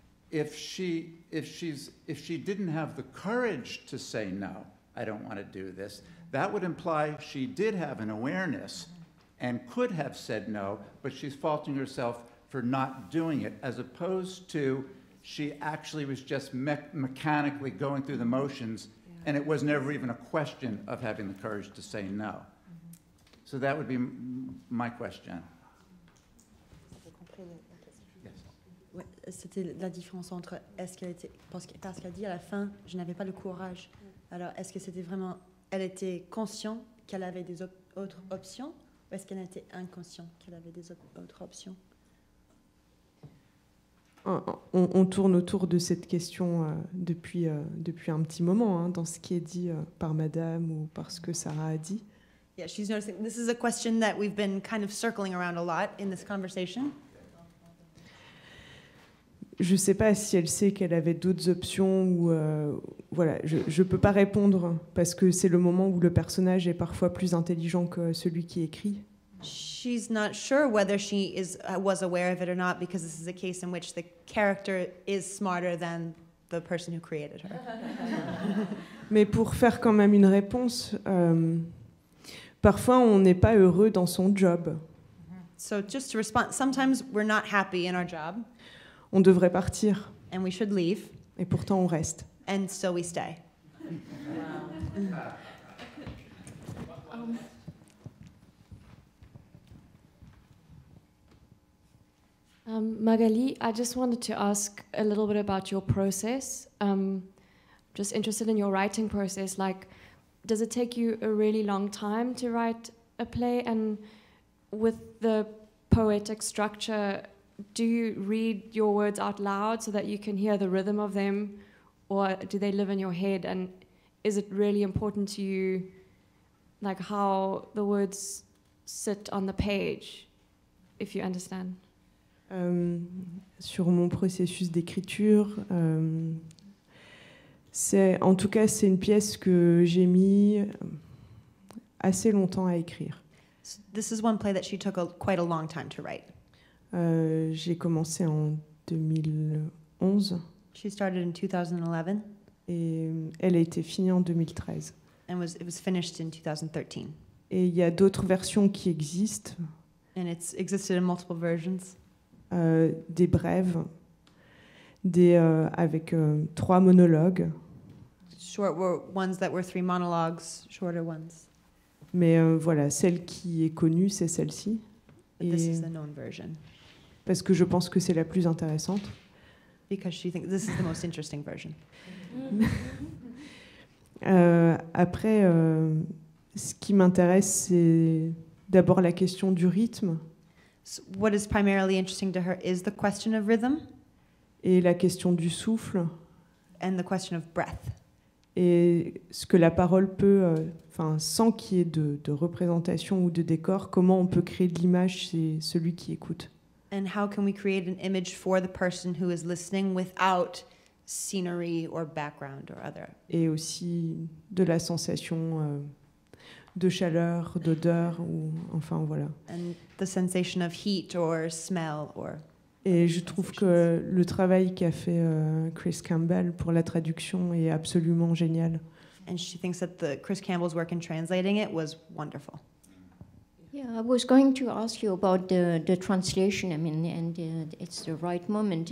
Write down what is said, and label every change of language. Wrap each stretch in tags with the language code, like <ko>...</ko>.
<en>If she didn't have the courage to say no, I don't want to do this, that would imply she did have an awareness and could have said no, but she's faulting herself for not doing it, as opposed to she actually was just mechanically going through the motions, yeah. And it was never even a question of having the courage to say no. Mm-hmm. So that would be my question.</en> <fr>C'était la différence entre est-ce qu'elle était parce qu'elle dit à la fin je n'avais pas le courage. Alors est-ce que c'était vraiment elle était consciente qu'elle avait des autres options ou est-ce qu'elle était inconsciente qu'elle avait des autres options? On tourne autour de cette question depuis un petit moment hein, dans ce qui est dit par Madame ou par ce que Sarah a dit.</fr> <en>Yeah, she's noticing. This is a question that we've been kind of circling around a lot in this conversation.</en> <fr>Je ne sais pas si elle sait qu'elle avait d'autres options ou voilà. Je ne peux pas répondre parce que c'est le moment où le personnage est parfois plus intelligent que celui qui écrit.</fr> <en>She's not sure whether she was aware of it or not because this is a case in which the character is smarter than the person who created her.</en> <fr>Mais pour faire quand même une réponse, parfois on n'est pas heureux dans son job.</fr> <en>So just to respond, sometimes we're not happy in our job.</en> <fr>On devrait partir.</fr> <en>And we should leave.</en> <fr>Et pourtant on reste.</fr> <en>And so we stay. Wow. Magali, I just wanted to ask a little bit about your process. Just interested in your writing process. Like, does it take you a really long time to write a play? And with the poetic structure, do you read your words out loud so that you can hear the rhythm of them? Or do they live in your head? And is it really important to you, like, how the words sit on the page, if you understand?</en> <fr>Sur mon processus d'écriture, c'est en tout cas c'est une pièce que j'ai mis assez longtemps à écrire.</fr> <en>This is one play that she took quite a long time to write.</en> <fr>J'ai commencé en 2011.</fr> <en>She started in 2011.</en> <fr>Et elle a été finie en 2013.</fr> <en>And it was finished in 2013.</en> <fr>Et il y a d'autres versions qui existent.</fr> <en>And it's existed in multiple versions.</en> <fr>Des brèves, avec trois monologues.</fr> <en>Short ones that were three monologues, shorter ones.</en> <fr>Mais voilà, celle qui est connue, c'est celle-ci.</fr> <en>But this is the known version.</en> <fr>Parce que je pense que c'est la plus intéressante.</fr> <en>Because she thinks this is the most interesting version.</en> <fr>Après, ce qui m'intéresse, c'est d'abord la question du rythme.</fr> <en>So what is primarily interesting to her is the question of rhythm.</en> <fr>Et la question du souffle.</fr> <en>And the question of breath.</en> <fr>Et ce que la parole peut, enfin, sans qu'il y ait de représentation ou de décor, comment on peut créer de l'image chez celui qui écoute.</fr> <en>And how can we create an image for the person who is listening without scenery or background or other.</en> <fr>Et aussi de la sensation de chaleur, d'odeur, ou enfin voilà.</fr> <en>And the sensation of heat or smell or.</en> <fr>Et je trouve que le travail qu'a fait Chris Campbell pour la traduction est absolument génial.</fr> <en>And she thinks that Chris Campbell's work in translating it was wonderful. Yeah. Yeah, I was going to ask you about the translation. I mean, and it's the right moment.</en>